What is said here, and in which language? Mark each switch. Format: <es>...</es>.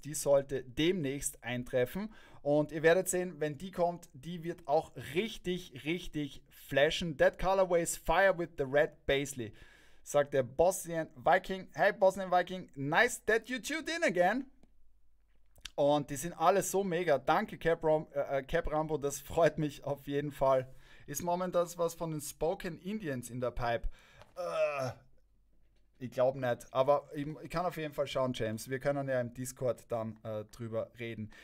<de>Die sollte demnächst eintreffen. Und ihr werdet sehen, wenn die kommt, die wird auch richtig, richtig flashen.</de> <en>That colorway is fire with the red Basley.</en> <de>Sagt der</de> <en>Bosnian Viking, hey Bosnian Viking, nice that you tuned in again.</en> <de>Und die sind alle so mega. Danke Cap Rambo, das freut mich auf jeden Fall. Ist momentan was von den Spoken Indians in der Pipe? Ich glaube nicht, aber ich kann auf jeden Fall schauen, James. Wir können ja im Discord dann drüber reden.</de>